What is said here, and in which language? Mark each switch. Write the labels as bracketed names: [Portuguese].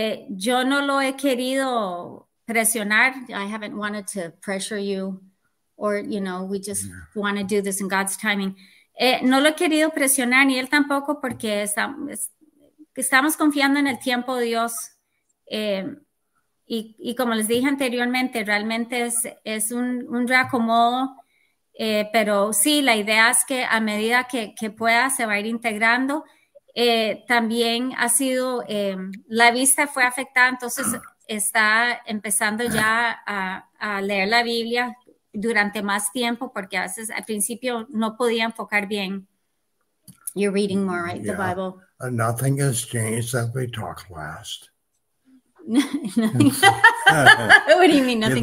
[Spanish] Yo no lo he querido presionar, [English] I haven't wanted to pressure you, or, you know, we just want to do this in God's timing. [Spanish] No lo he querido presionar, ni él tampoco, porque estamos confiando en el tiempo de Dios. Y como les dije anteriormente, realmente es un reacomodo. Pero sí, la idea es que a medida que pueda, se va a ir integrando. También ha sido, la vista fue afectada, entonces está empezando ya a leer la Biblia durante más tiempo, porque a veces al principio no podía enfocar bien. [English] You're reading more, right? Yeah. The Bible. Nothing has changed that we talked last. What do you mean, nothing?